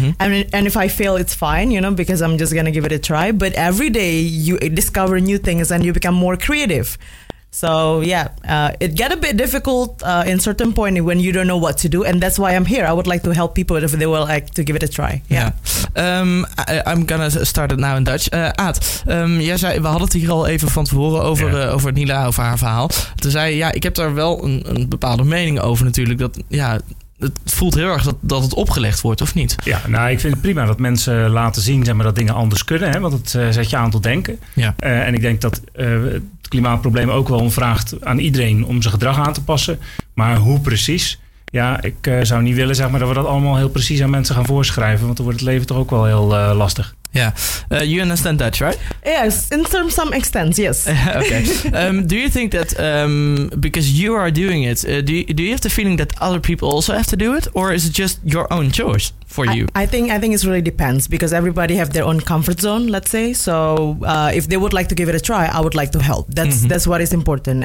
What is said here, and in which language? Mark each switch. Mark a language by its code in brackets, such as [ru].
[en] And if I fail, it's fine, you know, because I'm just going to give it a try. But every day you discover new things and you become more creative. So yeah, it get a bit difficult in certain point when you don't know what to do. And that's why I'm here. I would like to help people if they will like to give it a try. I'm gonna start it now in Dutch. [nl] Aad, we hadden het hier al even van tevoren over, over Nila, over haar verhaal. Toen zei je, ik heb daar wel een bepaalde mening over natuurlijk. Dat het voelt heel erg dat het opgelegd wordt, of niet? Ja, nou, ik vind het prima dat mensen laten zien, zeg maar, dat dingen anders kunnen. Hè, want het zet je aan tot denken. Ja. En ik denk dat het klimaatprobleem ook wel vraagt aan iedereen om zijn gedrag aan te passen. Maar hoe precies? Ja, ik zou niet willen, zeg maar, dat we dat allemaal heel precies aan mensen gaan voorschrijven. Want dan wordt het leven toch ook wel heel lastig. [en] Ja, yeah. You understand Dutch, right? Yes, in some extent, yes. Okay. Do you think that because you are doing it, do you have the feeling that other people also have to do it, or is it just your own choice for you? I think it really depends, because everybody have their own comfort zone, let's say. So if they would like to give it a try, I would like to help. That's mm-hmm. that's what is important.